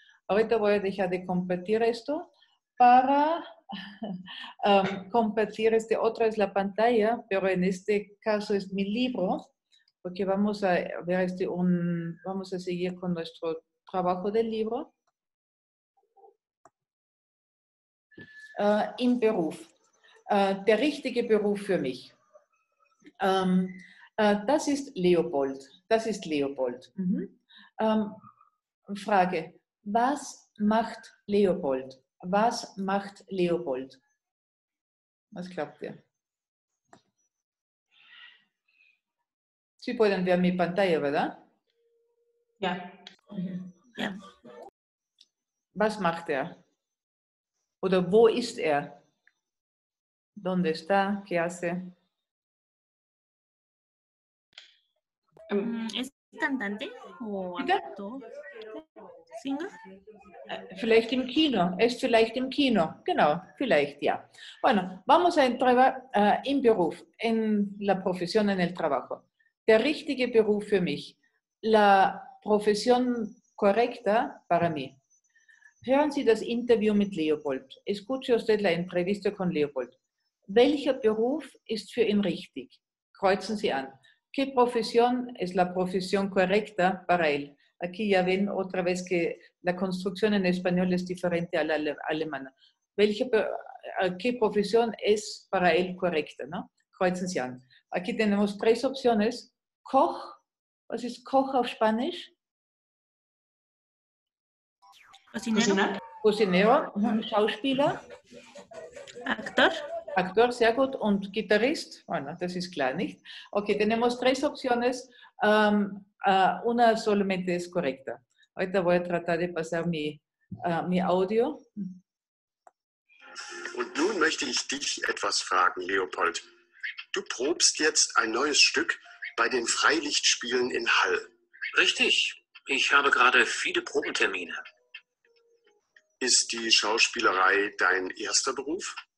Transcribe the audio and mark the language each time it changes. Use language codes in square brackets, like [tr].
[es] Ahorita voy a dejar de compartir esto para compartir otra es la pantalla, pero en este caso es mi libro, porque vamos a ver vamos a seguir con nuestro trabajo del libro. [de] Im Beruf. Der richtige Beruf für mich. Das ist Leopold. Das ist Leopold. Frage: Was macht Leopold? Was macht Leopold? Was glaubt ihr? [es] Sie pueden ver mi pantalla, ¿verdad? [de] Ja. Ja. Was macht er? Oder wo ist er? [es] ¿Dónde está? ¿Qué hace? ¿Es cantante o actor? [de] Vielleicht im Kino, ist vielleicht im Kino, genau, vielleicht, ja. [es] Bueno, vamos a entrar [de] im Beruf, [es] en la profesión, en el trabajo. [de] Der richtige Beruf für mich, [es] la profesión correcta para mí. [de] Hören Sie das Interview mit Leopold. [es] Escuche usted la entrevista con Leopold. [de] Welcher Beruf ist für ihn richtig? Kreuzen Sie an. [es] ¿Qué profesión es la profesión correcta para él? Aquí ya ven otra vez que la construcción en español es diferente a la alemana. ¿Qué profesión es para él correcta, no? [de] Kreuzen Sie an. [es] Aquí tenemos tres opciones. [de] Koch. [es] ¿Qué es Koch [de] auf Spanisch? [es] Cocinero. [de] Schauspieler. [es] Actor. [de] Actor, sehr gut. Und Guitarist. [es] Bueno, [de] das ist klar, nicht? [es] Okay, tenemos tres opciones. Una solamente es correcta. Ahorita voy a tratar de pasar mi audio. [de] Und nun möchte ich dich etwas fragen, Leopold. Du probst jetzt ein neues Stück bei den Freilichtspielen in Hall. Richtig. Ich habe gerade viele Probentermine. Ist die Schauspielerei dein erster Beruf?